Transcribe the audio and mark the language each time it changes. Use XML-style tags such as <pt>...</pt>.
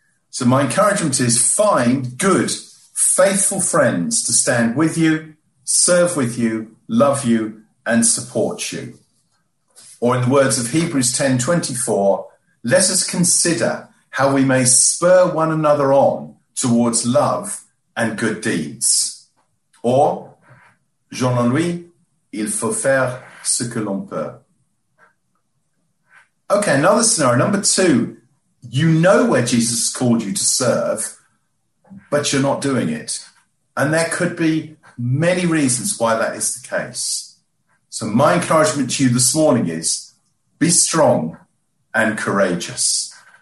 <en>So my encouragement is find good, faithful friends to stand with you, serve with you, love you and support you. Or in the words of Hebrews 10:24, let us consider how we may spur one another on towards love and good deeds.</en> <fr>Or, Jean-Louis, il faut faire ce que l'on peut.</fr> <en>Okay, another scenario. Number two, you know where Jesus called you to serve, but you're not doing it. And there could be many reasons why that is the case. So my encouragement to you this morning is, be strong and courageous.</en>